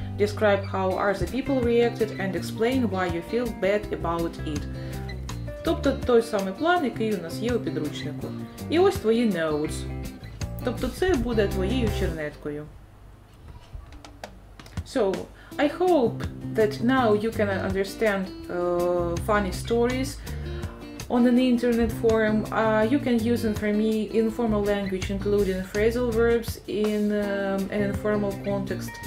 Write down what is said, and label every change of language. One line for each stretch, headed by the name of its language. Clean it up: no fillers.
English: Describe how are the people reacted and explain why you feel bad about it.
Ukrainian: Тобто той самий план, який у нас є у підручнику. І ось твої notes. Тобто це буде твоєю чернеткою.
English: So, I hope that now you can understand funny stories on an internet forum. You can use informal language, including phrasal verbs in an informal context.